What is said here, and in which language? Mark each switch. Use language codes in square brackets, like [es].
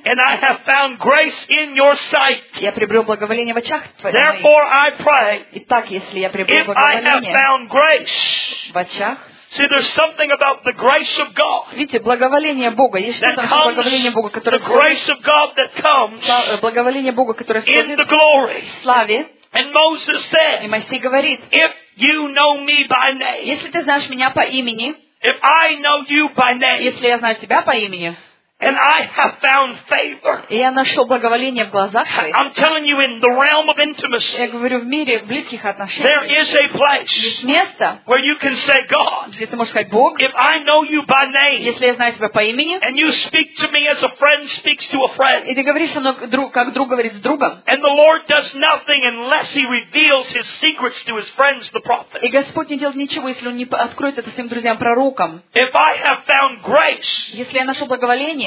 [en] And I have found grace in your sight. [ru] Я приобрёл благоволение в очах твоих. [en] Therefore I pray. [ru] Итак, если я приобрёл благоволение. [en] If I have found grace. [ru] В очах. [en] See, there's something about the grace of God. [ru] Видите, благоволение Бога. Есть что-то в благоволении Бога, которое. [en] The grace of God that comes. [ru] Благоволение Бога, которое сходит. [en] In the glory. [ru] Славе. [en] And Moses said. [ru] И Моисей говорит. [en] If you know me by name. [ru] Если ты знаешь меня по имени. [en] If I know you by name. [ru] Если я знаю тебя по имени. [en] And I have found favor. [ru] Я нашел благоволение в глазах твоих. [en] I'm telling you, in the realm of intimacy. [ru] Я говорю, в мире близких отношений. [en] There is a place. [ru] Есть место. [en] Where you can say God. [ru] Где ты можешь сказать Бог. [en] If I know you by name. [ru] Если я знаю тебя по имени. [en] And you speak to me as a friend speaks to a friend. [ru] И ты говоришь со мной как друг говорит с другом. [en] And the Lord does nothing unless He reveals His secrets to His friends, the prophets. [ru] И Господь не делает ничего, если Он не откроет это своим друзьям пророкам. [en] If I have found grace. [ru] Если я нашел благоволение.